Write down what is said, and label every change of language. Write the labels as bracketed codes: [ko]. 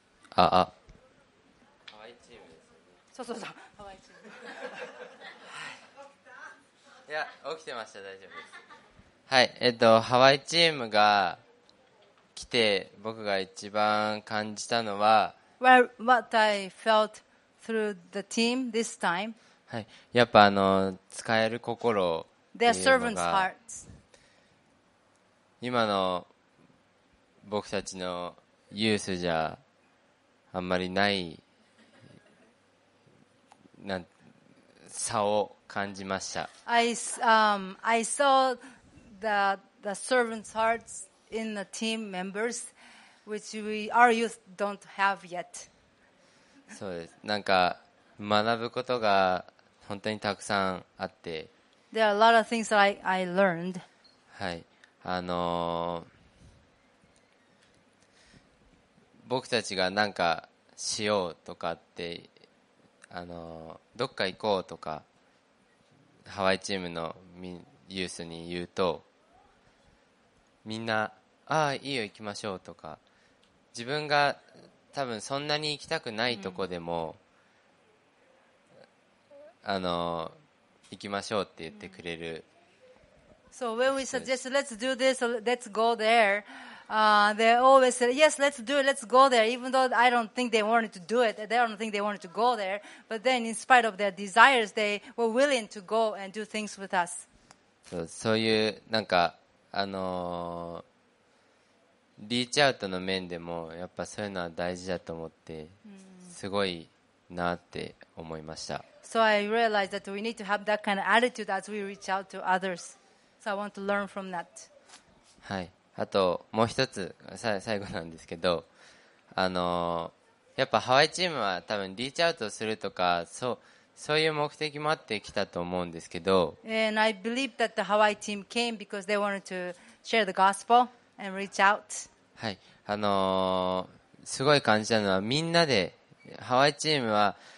[ja] ハワイチームですね。そうハワイチーム。いや、起きてました、大丈夫です。はい、ハワイチームが来て僕が一番感じたのは、 [en] What I felt through the team this time。 [ja] はい、やっぱ使える心っていうのが、 [en] Their servants' hearts。 [ja] 今の僕たちのユースじゃ。あんまりない差を感じました。 [en] I saw the servants' hearts in the team members, which we our youth don't have yet. [ja] そうです。なんか学ぶことが本当にたくさんあって。 [en] There are a lot of things that I learned. [ja] はい。僕たちがなんかしようとかってどっか行こうとかハワイチームのユースに言うとみんなああいいよ行きましょうとか自分が多分そんなに行きたくないとこでも、うん、行きましょうって言ってくれる、 [en] So when we suggest let's do this, let's go there, they always say yes, let's do it, let's go there, even though I don't think they wanted to do it, they don't think they wanted to go there, but then in spite of their desires, they were willing to go and do things with us. [ja] そう、そういうなんかリーチアウトの面でもやっぱそういうのは大事だと思ってすごいなって思いました。 [en] So I realized that we need to have that kind of attitude as we reach out to others. So I want to learn from that. [ja] はい。あともう一つ最後なんですけど、やっぱハワイチームは多分リーチアウトするとかそういう目的もあってきたと思うんですけど。 [en] And I believe that the Hawaii team came because they wanted to share the gospel and reach out. [ja] はい。すごい感じたのはみんなでハワイチームは。